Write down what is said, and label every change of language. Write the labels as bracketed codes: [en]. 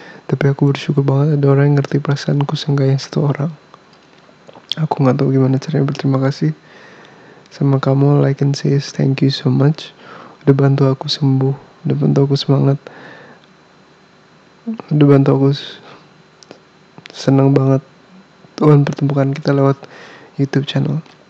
[id] Tapi aku bersyukur banget ada orang yang ngerti perasaanku, seenggaknya satu orang. Aku gak tahu gimana caranya berterima kasih sama kamu. [en] All I can say is thank you so much. [id] Udah bantu aku sembuh, udah bantu aku semangat, udah bantu aku senang banget Tuhan pertemukan kita lewat YouTube channel.